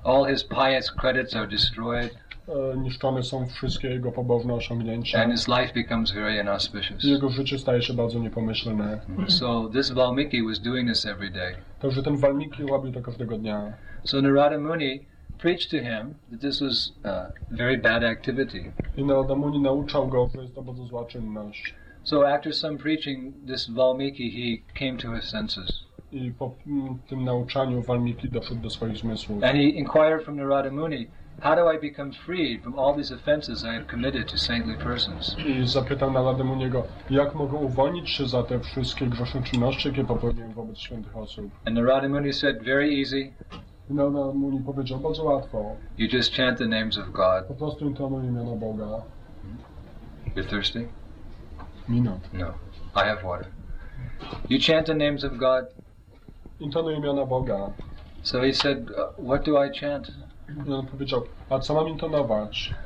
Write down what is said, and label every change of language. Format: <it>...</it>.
<en>All his pious credits are destroyed.</en> <pl>Niszczone są wszystkie jego pobożne osiągnięcia.</pl> <en>And his life becomes very inauspicious.</en> <pl>Jego życie staje się bardzo niepomyślne.</pl> <en>So this Valmiki was doing this every day.</en> <pl>Także ten Valmiki robił to każdego dnia.</pl> <en>So Narada Muni preached to him that this was a very bad activity.</en> <pl>I Narada Muni nauczał go, że jest to bardzo zła czynność.</pl> <en>So after some preaching, this Valmiki, he came to his senses.</en> <pl>I po tym nauczaniu Valmiki doszedł do swoich zmysłów.</pl> <en>And he inquired from Narada Muni, how do I become freed from all these offenses I have committed to saintly persons?</en> <pl>I zapytał Narada Muniego, jak mogę uwolnić się za te wszystkie grzeszne czynności, jakie popełniłem wobec świętych osób.</pl> <en>And Narada Muni said, very easy.</en> <pl>Narada Muni powiedział, bardzo łatwo.</pl> <en>You just chant the names of God.</en> <pl>Po prostu intonuj imiona Boga.</pl> <en>You thirsty? Me not. No. I have water. You chant the names of God.</en> <pl>Intonuj imiona Boga.</pl> <en>So he said, what do I chant?</en> <pl>I on powiedział, a co mam intonować?</pl>